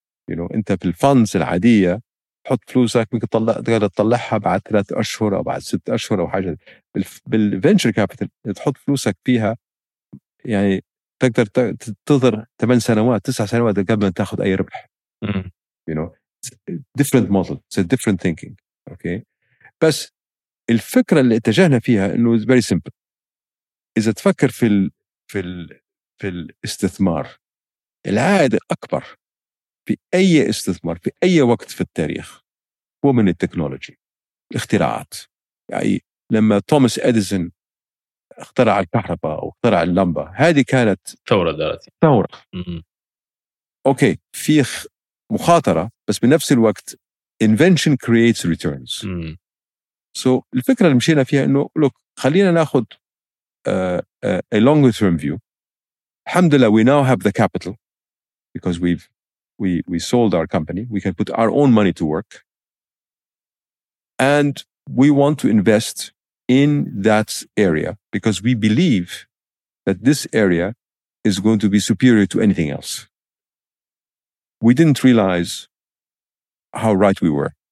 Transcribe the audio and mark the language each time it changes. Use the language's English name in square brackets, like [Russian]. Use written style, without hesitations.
[English] you know [Arabic] انت في الفانز العاديه حط فلوسك ممكن تطلعها بعد 3 أشهر او بعد 6 أشهر او حاجه. بالفينشر كابيتال تحط فلوسك فيها يعني تقدر تنتظر 8 سنوات 9 سنوات قبل ما تاخذ اي ربح. [English] You know, it's a different model, it's a different thinking. Okay. [Arabic] بس الفكره اللي اتجهنا فيها انه [English] it's very simple. [Arabic] اذا تفكر في الـ في الـ في الاستثمار، العائد الاكبر في اي استثمار في اي وقت في التاريخ هو من التكنولوجي، الاختراعات. يعني لما توماس اديسون اخترع الكهرباء او اخترع اللمبه، هذه كانت ثوره ذاتيه، ثوره. اوكي، في مخاطره، بس بنفس الوقت [English] invention creates returns. [Arabic] سو الفكره اللي مشينا فيها انه لوك، خلينا ناخذ [English] a longer term view. الحمد لله we now have the capital because we sold our company, we can put our own money to work, and we want to invest in that area because we believe that this area is going to be superior to anything else. We didn't realize how right we were